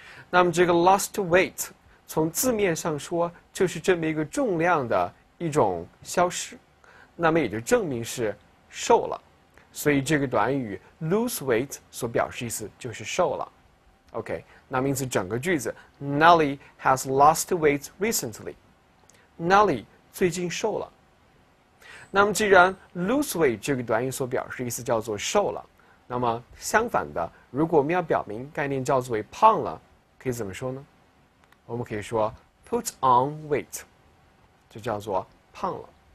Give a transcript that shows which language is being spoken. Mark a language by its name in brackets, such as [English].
[Chinese] 那么这个 lost weight， 从字面上说就是这么一个重量的一种消失，那么也就证明是瘦了。所以这个短语 lose weight 所表示意思就是瘦了 ，OK。那名词整个句子 [English] ，Nelly has lost weight recently。 [Chinese] Nelly 最近瘦了。那么既然 lose weight 这个短语所表示意思叫做瘦了，那么相反的，如果我们要表明概念叫做为胖了，可以怎么说呢？我们可以说 put on weight， 就叫做胖了。